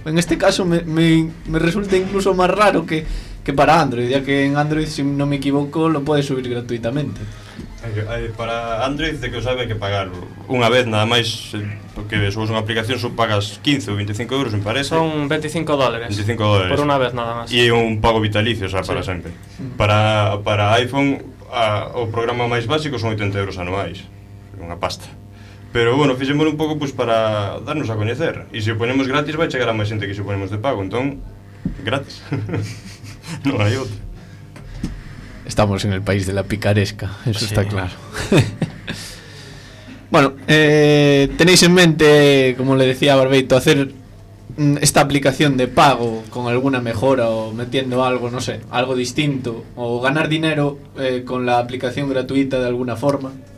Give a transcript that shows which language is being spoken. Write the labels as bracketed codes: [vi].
[es] En este caso me resulta incluso más raro que para Android, ya que en Android, si no me equivoco, lo puedes subir gratuitamente. Para Android, de que os sabe que pagar una vez nada más, porque subes una aplicación, pagas 15 o 25 euros, me parece. Son $25. $25. Por una vez nada más. Y un pago vitalicio, o sea, para siempre. [gl] Para iPhone, o programa máis básico son 80 euros anuais, unha pasta. Pero bueno, fixémolo un pouco pues, para darnos a coñecer. E se o ponemos gratis vai chegar a máis xente que se o ponemos de pago. Entón, gratis. Non hai outro. [es] Estamos en el país de la picaresca. Eso sí. Está claro. Bueno, tenéis en mente, como le decía Barbeito, hacer esta aplicación de pago con alguna mejora o metiendo algo, no sé, algo distinto, o ganar dinero con la aplicación gratuita de alguna forma?